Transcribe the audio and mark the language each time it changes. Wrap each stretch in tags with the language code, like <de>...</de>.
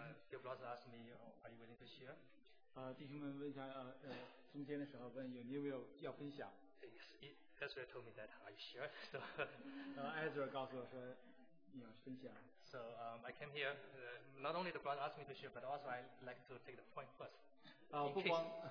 <en>Your brother asked me, oh, are you willing to share?</en> <zh>弟兄们问一下, 中间的时候问, 有你有没有要分享?</zh> <en>Yes, Ezra told me that, are you sure? So,</en> <zh>Ezra告诉我说,</zh> <en>So I came here, not only the brother asked me to share, but also I'd like to take the point first.</en>